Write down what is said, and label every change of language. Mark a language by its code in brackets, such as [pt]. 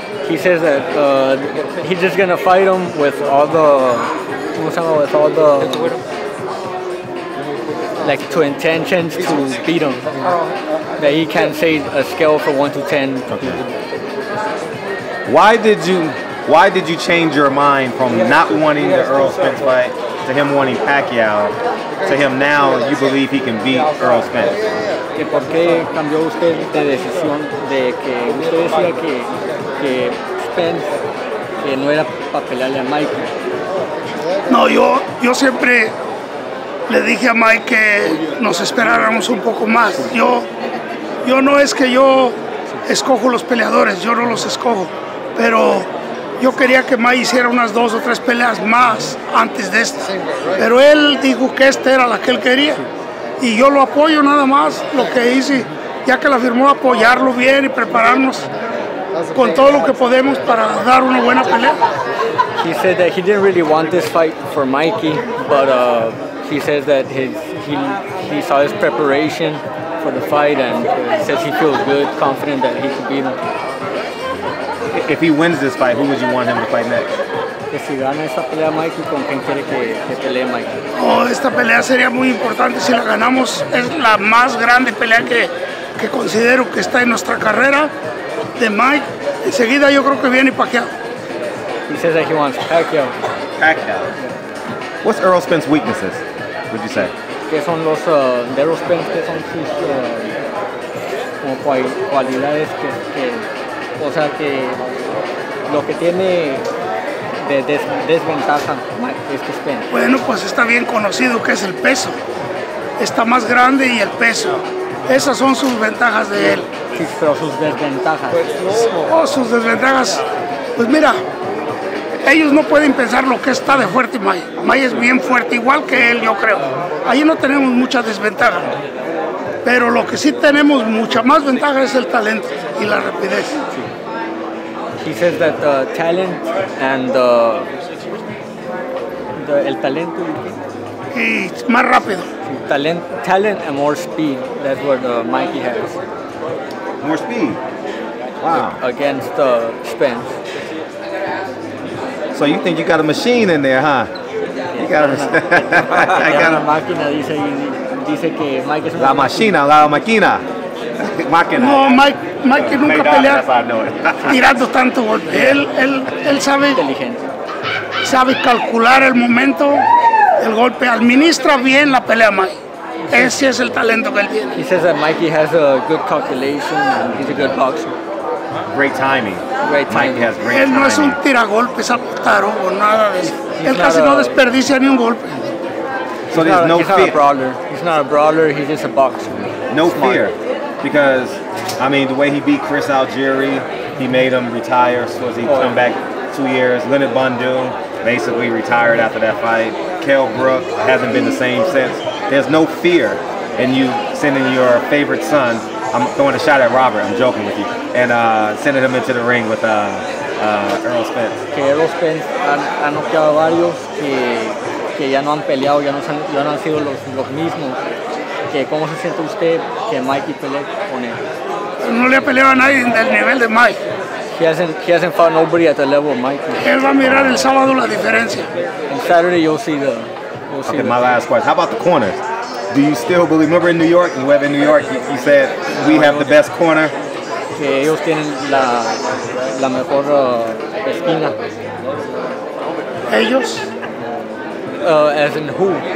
[en] He says that he's just gonna fight him with all the, like to intentions to beat him. That he can't say a scale for 1 to 10. Okay. Why did you change your mind from not wanting the Errol Spence fight to him wanting Pacquiao to him now you believe he can beat Errol Spence? [es] ¿Que por qué cambió usted de decisión de que usted decía que Spence que no era para pelearle a Mike? No, yo siempre le dije a Mike que nos esperáramos un poco más. Yo no es que yo escojo los peleadores, yo no los escojo, pero yo quería que Mike hiciera unas 2 o 3 peleas más antes de esta. Pero él dijo que esta era la que él quería y yo lo apoyo nada más, lo que hice, ya que la firmó, apoyarlo bien y prepararnos con todo lo que podemos para dar una buena pelea. [en] He said that he didn't really want this fight for Mikey, but he says that he saw his preparation for the fight and says he feels good, confident that he could beat him. If he wins this fight, who would you want him to fight next? [es] Que si gana esta pelea Mikey, ¿con quién quiere que pelee Mikey? Oh, esta pelea sería muy importante si la ganamos. Es la más grande pelea que considero que está en nuestra carrera de Mike. Enseguida yo creo que viene Pacquiao. [en] He says that he wants Pacquiao. Pacquiao. What's Errol Spence's weaknesses, would you say? [es] ¿Qué son los de Errol Spence? ¿Qué son sus cualidades que o sea que lo que tiene de desventaja este Spence? Bueno, pues está bien conocido que es el peso. Está más grande y el peso. Esas son sus ventajas de él. Sí, pero sus desventajas. Oh, sus desventajas. Pues mira, ellos no pueden pensar lo que está de fuerte May. May es bien fuerte, igual que él, yo creo. Ahí no tenemos mucha desventaja. Pero lo que sí tenemos mucha más ventaja es el talento y la rapidez. [en] He says that the talent and the [es] el talento y más rápido. [en] Talent and more speed. That's what Mikey has. More speed. Wow. Against Spence. So you think you got a machine in there, huh? You got a machine. [es] La máquina, dice Mike. La máquina, la máquina. No, Mike nunca pelea tirando tanto golpe. Él sabe. Inteligente. Sabe calcular el momento, el golpe. Administra bien la pelea, Mike. Ese es el talento que él tiene. [en] He says that Mikey has a good calculation and he's a good boxer. Great timing. Mikey has great timing. [es] Él no es un tiragolpe, es apuntaro o nada de eso. Él casi no desperdicia ni un golpe. [en] So there's no fear. He's not a brawler, he's just a boxer. No fear. Because, I mean, the way he beat Chris Algieri, he made him retire. So he came back 2 years. Leonard Bundum basically retired after that fight. Kell Brook hasn't been the same since. There's no fear in you sending your favorite son, I'm throwing a shot at Robert, I'm joking with you, and sending him into the ring with Errol Spence. [es] Que Errol Spence ha noqueado varios que ya no han peleado, ya no han sido los mismos. Que cómo se siente usted que Mikey pelea con él? No le ha peleado a nadie del nivel de Mike. [en] He hasn't fought nobody at the level of Mikey. [es] Él va a mirar el sábado la diferencia. [en] On Saturday you'll see the... Okay, my last question. How about the corners? Do you still believe? Remember in New York, the web in New York, you said we have the best corner. [es] Que ellos tienen la mejor esquina. Ellos. [en] As in who?